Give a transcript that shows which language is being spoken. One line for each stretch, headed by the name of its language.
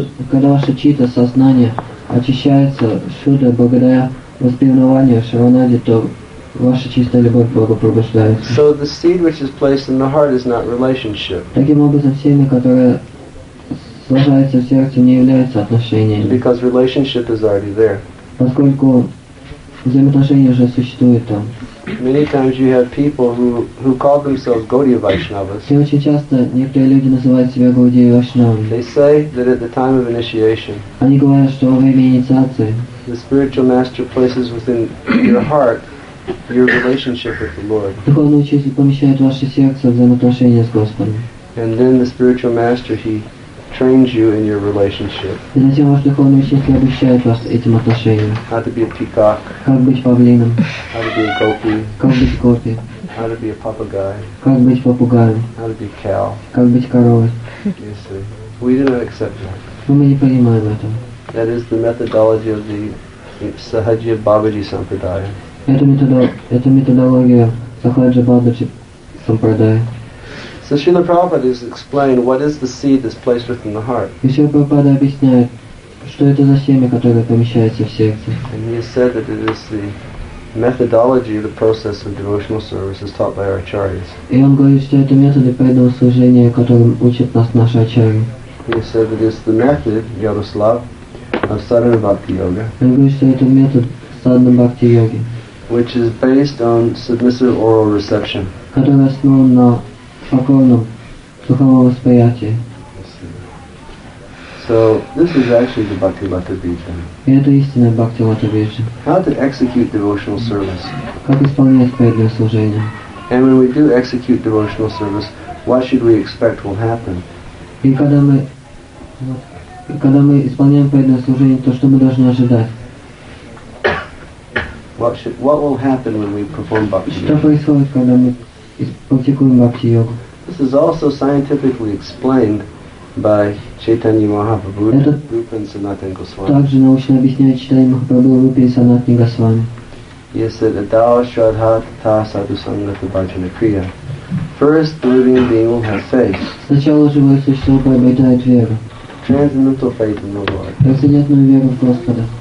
Russian: Когда ваше чита сознание очищается шудо благодаря воспевнованию шраванади, то ваша чистая любовь к Богу пробуждается.
English: So the seed which is placed in the heart is not relationship.
Russian: Таким образом, семя, которое сложается в сердце, не является отношением.
English: Because relationship is already there.
Russian: Поскольку взаимоотношения уже существуют там.
English: Many times you have people who call themselves Gaudiya Vaishnavas.
Russian: И очень часто некоторые люди называют себя Гаудия Вайшнавами.
English: They say that at the time of initiation,
Russian: они говорят, что во время инициации,
English: the spiritual master places within your heart your relationship with the Lord.
Russian: Духовный учитель помещает в ваше сердце взаимоотношения с Господом.
English: And then the spiritual master he trains you in your relationship.
Russian: И затем ваш духовный учитель обучает вас этим отношениям.
English: How to be a peacock.
Russian: Как быть павлином.
English: How to be a gopi.
Russian: Как быть гопи.
English: How to be a papagai.
Russian: Как быть попугаем.
English: How to be a cow.
Russian: Как быть коровой.
English: You see, we do not accept that.
Russian: Но мы не понимаем это.
English: That is the methodology of the Sahaja Babaji Sampradaya.
Russian: Это методология Сахаджа Бабаджи Сампрадая.
English: So Srila Prabhupada is explaining what is the seed that's placed within the heart.
Russian: И Srila Prabhupada объясняет, что это за семя, которое помещается в сердце.
English: And he has said that it is the methodology, the process of devotional service is taught by our acharyas.
Russian: И он говорит, что это методы преданного служения, которым учат нас наши ачарьи.
English: He has said that it is the method, Yaroslav, of Sadhana Bhakti Yoga.
Russian: Он говорит, что это метод Sadhana Bhakti Yoga.
English: Which is based on submissive oral reception.
Russian: Который основан на поклонном духовном восприятии.
English: So this is actually the Bhakti Lata Bija.
Russian: И это истинная Бхакти Лата Бижа.
English: How to execute devotional service?
Russian: Как исполнять преданное служение?
English: And when we do execute devotional service, what should we expect will happen?
Russian: И когда мы исполняем преданное служение, то что мы должны ожидать?
English: What will happen when we perform Bhakti Yoga?
Russian: Что происходит, когда мы практикуем Бхакти Йогу?
English: This is also scientifically explained by Chaitanya Mahaprabhu, Rupa and Sanatana Goswami.
Russian: Также научно объясняет Чайтанья Махапрабху, Рупа и Санатана Госвами.
Sanskrit: He said, Adao Shraddha Tata Sadhu Sangata Bhajana Kriya.
English: First, the living being will have faith.
Russian: Сначала живое существо приобретает веру.
English: Transcendental faith in the Lord.
Russian: Трансцендентную веру в Господа.